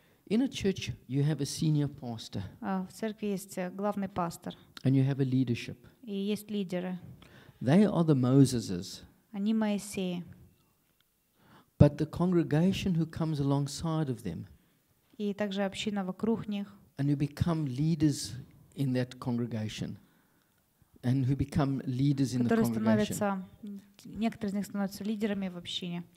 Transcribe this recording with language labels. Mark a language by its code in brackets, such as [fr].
[en] In a church, you have a senior pastor. [ru] В церкви есть главный пастор. [en] And you have a leadership. [ru] И есть лидеры. [en] They are the Moseses. [ru] Они Моисеи. [en] But the congregation who comes alongside of them. [ru] И также община вокруг них. [en] And who become leaders in that congregation. And who become leaders in the congregation. [ru] Которые становятся, некоторые из них становятся лидерами в общине.